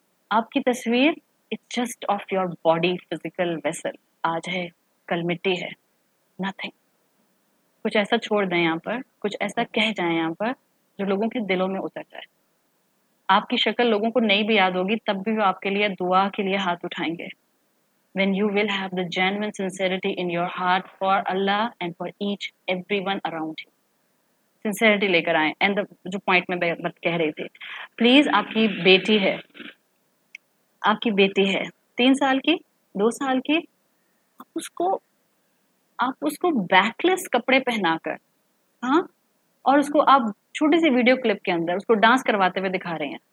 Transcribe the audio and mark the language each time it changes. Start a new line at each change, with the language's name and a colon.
Urdu: آپ کی تصویر
English: it's just of your body, physical vessel,
Urdu: آج ہے کل مٹی ہے,
English: Nothing.
Urdu: کچھ ایسا چھوڑ دیں یہاں پر, کچھ ایسا کہہ جائیں یہاں پر جو لوگوں کے دلوں میں اتر جائے. آپ کی شکل لوگوں کو نہیں بھی یاد ہوگی, تب بھی وہ آپ کے لیے دعا کے لیے ہاتھ اٹھائیں گے.
English: When you will have the genuine sincerity in your heart for Allah and for each, everyone around you.
Urdu: Sincerity لے کر آئیں.
English: And the,
Urdu: جو پوائنٹ میں بات کہہ رہی تھی, پلیز, آپ کی بیٹی ہے, آپ کی بیٹی ہے 3 سال کی 2 سال کی, آپ اس کو بیکلیس کپڑے پہنا کر, ہاں, اور اس کو آپ چھوٹی سی ویڈیو کلپ کے اندر اس کو ڈانس کرواتے ہوئے دکھا رہے ہیں.